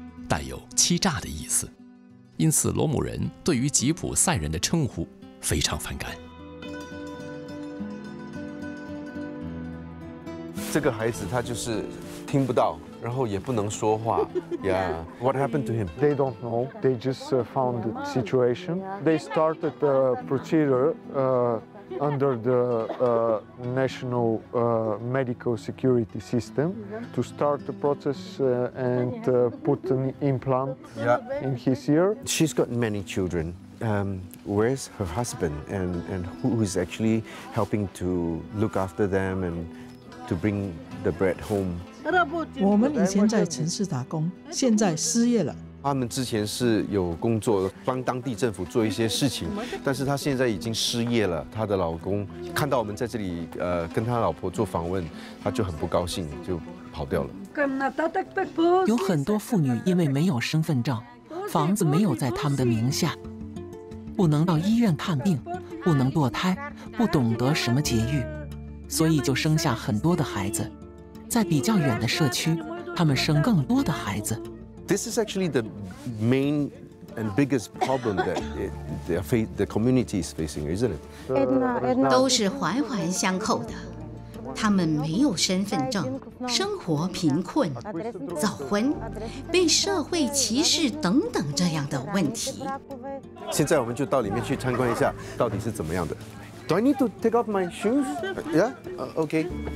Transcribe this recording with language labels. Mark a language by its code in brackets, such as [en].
[zh] 带有欺诈的意思，因此罗姆人对于吉普赛人的称呼非常反感。这个孩子他就是听不到，然后也不能说话。 [en] Yeah. What happened to him? They don't know. They just found the situation. They started the procedure under the national medical security system to start the process and put an implant in his ear. She's got many children. Where's her husband? And who is actually helping to look after them and to bring the bread home? [zh] 我们以前在城市打工，现在失业了。他们之前是有工作，帮当地政府做一些事情，但是他现在已经失业了。他的老公看到我们在这里，跟他老婆做访问，他就很不高兴，就跑掉了。有很多妇女因为没有身份证，房子没有在他们的名下，不能到医院看病，不能堕胎，不懂得什么节育，所以就生下很多的孩子。在比较远的社区，他们生更多的孩子。 [en] This is actually the main and biggest problem that the community is facing, isn't it? [zh] 都是环环相扣的。他们没有身份证，生活贫困，早婚，被社会歧视等等这样的问题。现在我们就到里面去参观一下，到底是怎么样的。 [en] Do I need to take off my shoes? Okay.